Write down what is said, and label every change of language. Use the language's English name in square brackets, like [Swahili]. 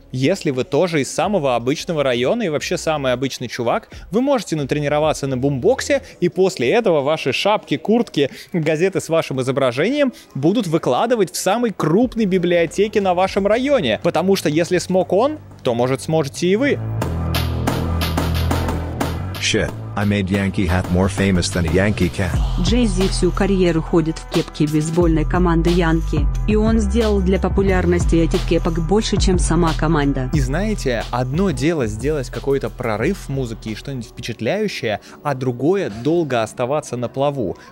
[Russian] Если вы тоже из самого обычного района и вообще самый обычный чувак, вы можете натренироваться на бумбоксе, и после этого ваши шапки, куртки, газеты с вашим изображением будут выкладывать в самой крупной библиотеке на вашем районе. Потому что если смог он, то, может, сможете и вы. [English] Shit. I made Yankee hat more famous than a Yankee cat. [Russian] Jay-Z всю карьеру ходит в кепке бейсбольной команды Yankee, и он сделал для популярности этих кепок больше, чем сама команда. И знаете, одно дело сделать какой-то прорыв в музыке и что-нибудь впечатляющее, а другое — долго оставаться на плаву.